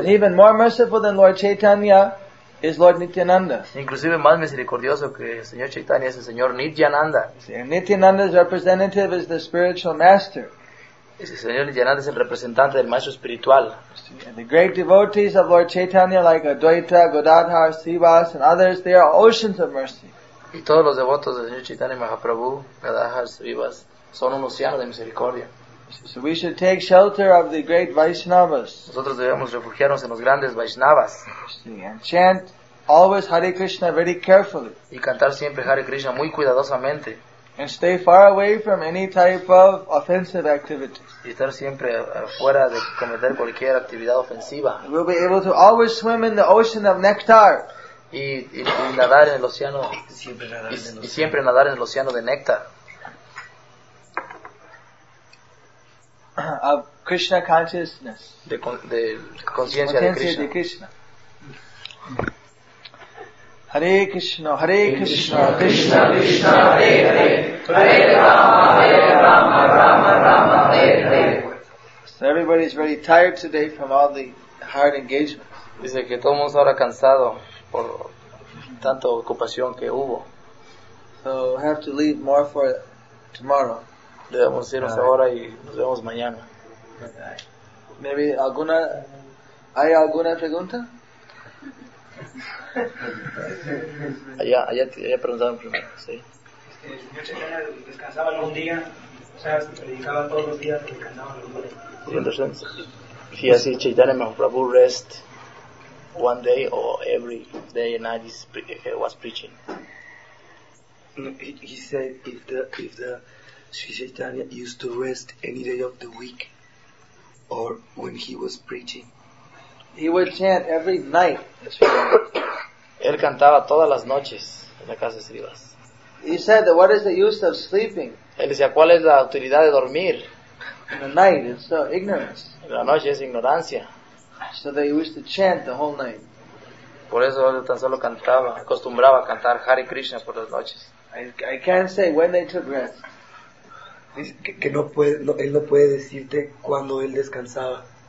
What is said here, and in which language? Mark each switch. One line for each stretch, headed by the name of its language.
English: And even more merciful than Lord Chaitanya is Lord Nityananda.
Spanish: Inclusive más misericordioso que el Señor Chaitanya es el Señor Nityananda.
English: And Nityananda's representative is the spiritual master.
Spanish: El Señor Nityananda es el representante del maestro espiritual.
English: And the great devotees of Lord Chaitanya, like Advaita, Gadadhar, Srivas, and others, they are oceans of mercy.
Spanish: Y todos los devotos del Señor Chaitanya Mahaprabhu, Gadadhar, Srivas, son un océano de misericordia.
English: So we should take shelter of the great Vaishnavas.
Spanish: Nosotros debemos refugiarnos en los grandes Vaishnavas.
English: And chant always Hare Krishna very carefully.
Spanish: Y cantar siempre Hare Krishna muy cuidadosamente.
English: And stay far away from any type of offensive activities.
Spanish: Y estar siempre fuera de cometer cualquier actividad ofensiva.
English: We'll be able to always swim in the ocean of nectar.
Spanish: Y nadar en el océano. Y siempre nadar en el océano de néctar.
English: Of Krishna consciousness.
Spanish: De conciencia de Krishna.
Sanskrit: Hare Krishna, Hare Krishna, Krishna Krishna, Hare Hare, Hare Rama, Hare Rama, Rama Rama, Hare Hare.
English: So everybody is very tired today from all the hard engagements.
Spanish: Dice que todo el mundo ahora cansado por tanto ocupación que hubo.
English: So we have to leave more for tomorrow.
Spanish: Debemos irnos ahora y nos vemos mañana.
English: Maybe
Spanish: alguna pregunta? Allá preguntaron primero, sí. El señor Chaitanya descansaba algún día, o sea, predicaba todos los días, predicaba algún día. Sí, así
English: Chaitanya Mahaprabhu rest one day or every day and night was preaching. He said if the Sri Chaitanya used to rest any day of the week or when he was preaching. He would chant every night.
Spanish: Él cantaba todas las noches en la casa de Srivas.
English: He said that what is the use of sleeping?
Spanish: Él decía, ¿cuál es la utilidad de dormir?
English: In the night, it's so ignorance.
Spanish: En la noche es ignorancia.
English: So they used to chant the whole night.
Spanish: Por eso él tan solo cantaba, acostumbraba a cantar Hare Krishna por las noches.
English: I can't say when they took rest.
Spanish: Él no puede decirte cuando él descansaba.